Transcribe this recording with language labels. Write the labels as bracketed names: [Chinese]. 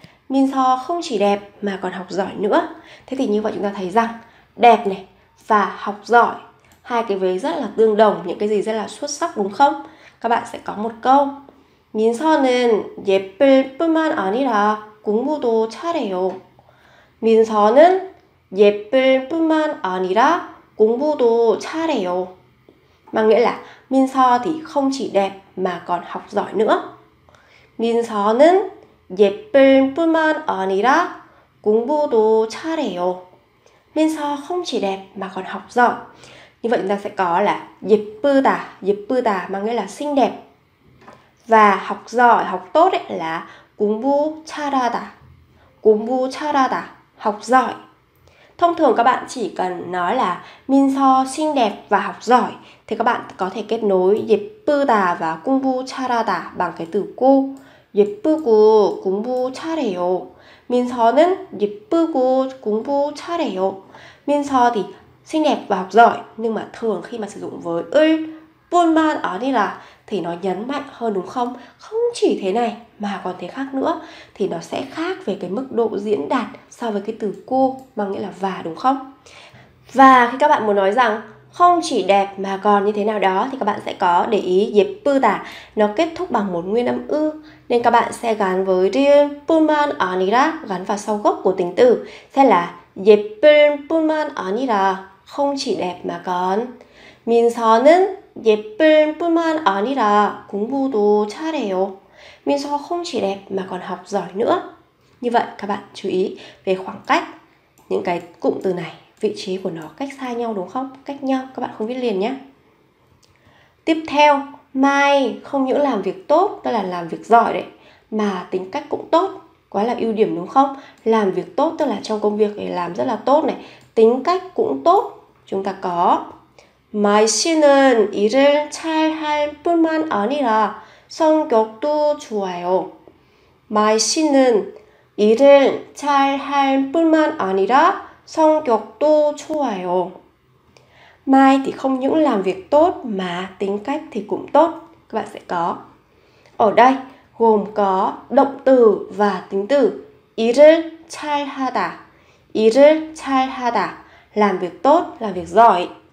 [Vietnamese] 민서 không chỉ đẹp mà còn học giỏi nữa. Thế thì như vậy chúng ta thấy rằng đẹp này và học giỏi, hai cái vế rất là tương đồng, những cái gì rất là xuất sắc đúng không? Các bạn sẽ có một câu [Korean] 민서는 예쁠 뿐만 아니라 공부도 잘해요. 민서는 예쁠 뿐만 아니라 공부도 잘해요. [Vietnamese] Mà nghĩa là 민서 thì không chỉ đẹp mà còn học giỏi nữa. [Korean] 민서는 예쁠 뿐만 아니라 공부도 잘해요. [Vietnamese] 민서 không chỉ đẹp mà còn học giỏi. Như vậy chúng ta sẽ có là 예쁘다, 예쁘다 mang nghĩa là xinh đẹp. Và học giỏi, học tốt ấy là 공부 잘하다. 공부 잘하다, học giỏi. Thông thường các bạn chỉ cần nói là 민서 xinh đẹp và học giỏi thì các bạn có thể kết nối 예쁘다 và 공부 잘하다 bằng cái từ 고. [Korean] 예쁘고 공부 잘해요. 민서는 예쁘고 공부 잘해요. [Vietnamese] 민서 thì xinh đẹp và học giỏi, nhưng mà thường khi mà sử dụng với 을 뿐만 아니라 thì nó nhấn mạnh hơn đúng không? Không chỉ thế này mà còn thế khác nữa, thì nó sẽ khác về cái mức độ diễn đạt so với cái từ 고 mà nghĩa là và đúng không? Và khi các bạn muốn nói rằng không chỉ đẹp mà còn như thế nào đó thì các bạn sẽ có để ý 예쁘다 nó kết thúc bằng một nguyên âm ư, nên các bạn sẽ gắn với 뿐만 아니라 gắn vào sau gốc của tính từ sẽ là [Korean] 예쁠 뿐만 아니라, [Vietnamese] không chỉ đẹp mà còn. [Korean] 민서는 예쁠 뿐만 아니라 공부도 잘해요. [Vietnamese] 민서 không chỉ đẹp mà còn học giỏi nữa. Như vậy các bạn chú ý về khoảng cách những cái cụm từ này, vị trí của nó cách xa nhau đúng không? Cách nhau, các bạn không biết liền nhé. Tiếp theo, Mai không những làm việc tốt, tức là làm việc giỏi đấy, mà tính cách cũng tốt, quá là ưu điểm đúng không? Làm việc tốt tức là trong công việc thì làm rất là tốt này, tính cách cũng tốt. Chúng ta có Mai [Korean] 씨는 일을 잘할 뿐만 아니라 성격도 좋아요. 마이 씨는 일을 잘할 뿐만 아니라 성격도 좋아요. [Vietnamese] Mai thì không những làm việc tốt mà tính cách thì cũng tốt. Các bạn sẽ có. Ở đây gồm có động từ và tính từ. [Korean] 일을 잘 하다. 일을 잘 하다. [Vietnamese] Làm việc tốt, làm việc giỏi.